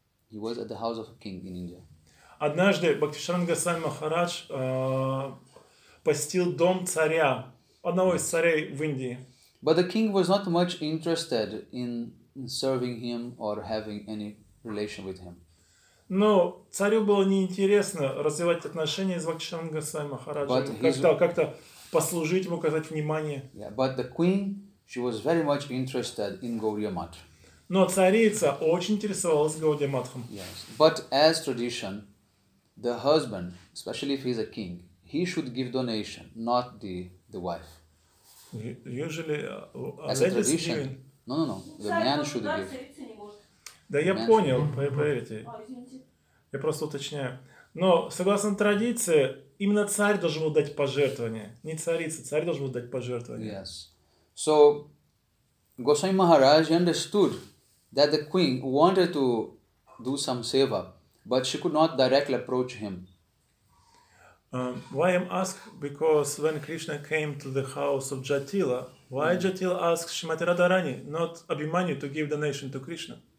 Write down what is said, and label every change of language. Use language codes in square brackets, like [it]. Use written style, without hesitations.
[en] He was at the house of a king in India. [ru] Однажды Бхактисиддханта Госвами Махарадж посетил дом царя, одного из царей в Индии. [en] But the king was not much interested in serving him or having any relation with him. [ru] Но царю было неинтересно развивать отношения с Бхактисиддханта Госвами Махараджем, как-то послужить ему, оказать внимание. [en] Yeah, but the queen, she was very much interested in Gaudiya Math. [ru] Но царица очень интересовалась Гаудия Матхом. [en] Yes, but as tradition, the husband, especially if he's a king, he should give donation, not the wife. Usually, as a tradition, no, the man should give. [ru] Да, я понял, поверьте. Я просто уточняю. Но согласно традиции, именно царь должен был дать пожертвование, не царица. Царь должен был дать пожертвование. [en] Yes. So, Госвами Махарадж understood that the queen wanted to do some seva, but she could not directly approach him. Why I'm asked? Because when Krishna came to the house of Jatila, why Jatila asked Shrimati Radharani, not Abhimanyu, to give donation to Krishna?